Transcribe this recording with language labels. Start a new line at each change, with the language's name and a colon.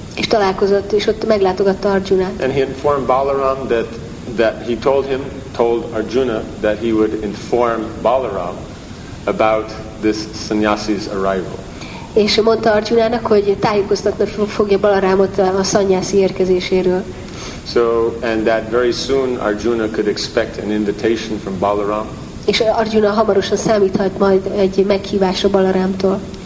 Hungarian: És találkozott, és ott meglátogatta Arjunát.
English: And he informed Balaram that he told Arjuna that he would inform Balaram about this sannyasi's arrival.
Hungarian: És mondta Arjunának, hogy tájékoztatni fogja Balarámot a szanyászi érkezéséről.
English: So, and that very soon Arjuna could expect an invitation from Balaram.
Hungarian: És Arjuna hamarosan számíthat majd egy meghívásra Balarámtól.